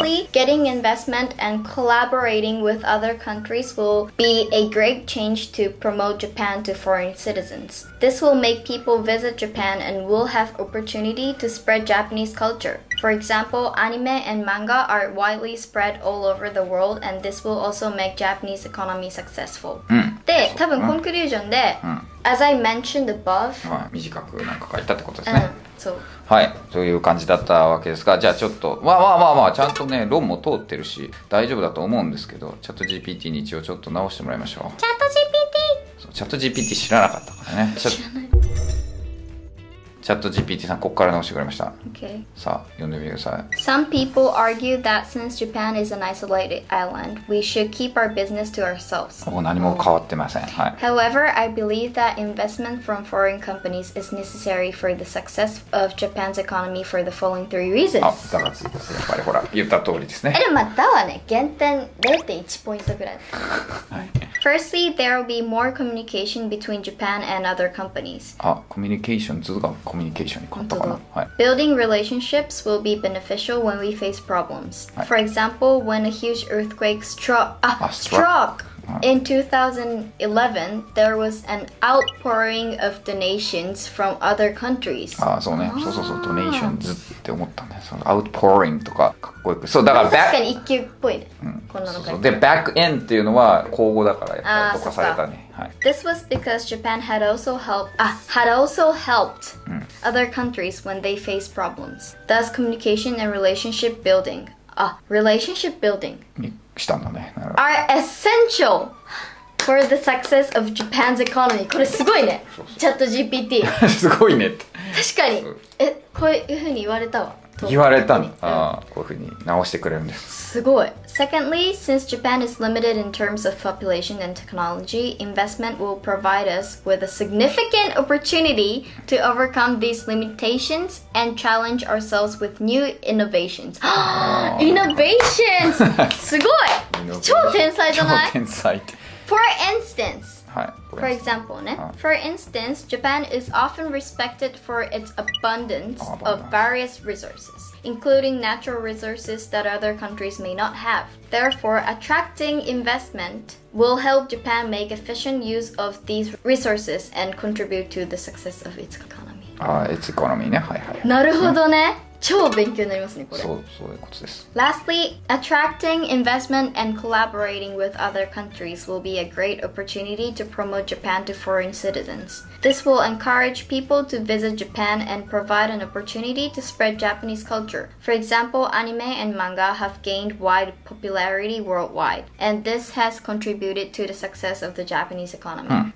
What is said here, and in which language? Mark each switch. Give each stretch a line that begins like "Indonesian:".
English: Lastly, getting investment and collaborating with other countries will be a great change to promote Japan to foreign citizens. This will make people visit Japan and will have opportunity to spread Japanese culture. For example, anime and manga are widely spread all over the world, and this will also make Japanese economy successful.、
Japanese: うん、で、多分コンクルージョンで、うん、
English: As I mentioned above、
Japanese: はい、短くなんか書いたってことですね、うん、そう、はい、そういう感じだったわけですが、じゃあちょっと、まあまあまあまあ、ちゃんとね、論も通ってるし大丈夫だと思うんですけど、チャット GPT に一応ちょっと直してもらいましょう。チャット GPT、そう、チャット GPT 知らなかったからね。知らない。チャット GPT さん、ここから直してくれました。
English: Okay.
Japanese: さあ、読んでみてください。
English: Some people argue that since Japan is an isolated island, we should keep our business to ourselves.
Japanese: もう何も変わってません。はい。
English: However, I believe that investment from foreign companies is necessary for the success of Japan's economy for the following three reasons.
Japanese: あ、だがついてます。やっぱりほら、言った通りですね。え、でもだはね、減点 0.1 ポイントぐらい。はい。
English: Firstly, there will be more communication between Japan and other companies.
Japanese: あ、communication、ずっとコミュニケーションに変わったかな。はい。
English: Building relationships will be beneficial when we face problems.、はい、For example, when a huge earthquake struck in 2011, there was an outpouring of donations from other countries.
Japanese: あ、そうね。そうそうそう、donations って思ったね。その outpouring とかかっこよく。そうだから確かに一級っぽいね。そうそう、で、back in っていうのは口語だからやっぱりとかされたね、はい、
English: This was because Japan had also helped、
Japanese: うん、
English: other countries when they faced problems. Thus communication and relationship building relationship building
Japanese: したんだね。
English: are essential for the success of Japan's economy.
Japanese: これすごいね、チャット GPT すごいね確かに、え、こういう風に言われたわ。言われたの。ああ、こういうふうに直してくれるんです。 すごい。
English: Secondly, since Japan is limited in terms of population and technology, investment will provide us with a significant opportunity to overcome these limitations and challenge ourselves with new innovations.
Japanese: Innovations! すごい！超天才じゃない？超天才。
English: For instance, for example, ね。For instance, Japan is often respected for its abundance of various resources. including natural resources that other countries may not have. Therefore, attracting investment will help Japan make efficient use of these resources and contribute to the success of its economy. Ah, its economy,
Japanese: ね。はいはい。なるほどね。超勉強になりますね、これ。そう、そういうことです。
English: Lastly, attracting investment and collaborating with other countries will be a great opportunity to promote Japan to foreign citizens. This will encourage people to visit Japan and provide an opportunity to spread Japanese culture. For example, anime and manga have gained wide popularity worldwide, and this has contributed to the success of the Japanese economy.